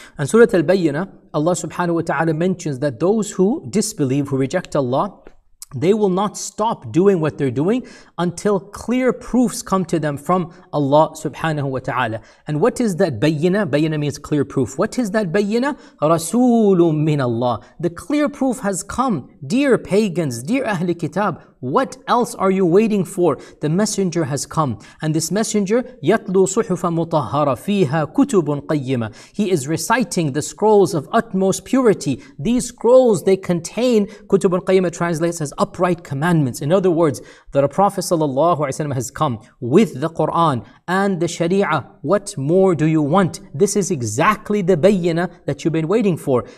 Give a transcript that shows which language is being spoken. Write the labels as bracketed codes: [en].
[en] And Surah Al-Bayyina, Allah subhanahu wa ta'ala mentions that those who disbelieve, who reject Allah, they will not stop doing what they're doing until clear proofs come to them from Allah subhanahu wa ta'ala. And what is that bayyina? Bayyina means clear proof. What is that bayyina? [ar] Rasulun min Allah. [en] The clear proof has come. Dear pagans, dear Ahl-Kitab, What else are you waiting for? The messenger has come. And this messenger, [ar] يَتْلُو صُحُفًا مُطَهَّرَ فِيهَا كُتُبٌ قَيِّمَةٌ. [en] He is reciting the scrolls of utmost purity. These scrolls, they contain, [ar] كُتُبٌ قَيِّمَةٌ [en] translates as upright commandments. In other words, that a Prophet sallallahu alaihi wasallam has come with the Quran and the Sharia. What more do you want? This is exactly the bayyinah that you've been waiting for.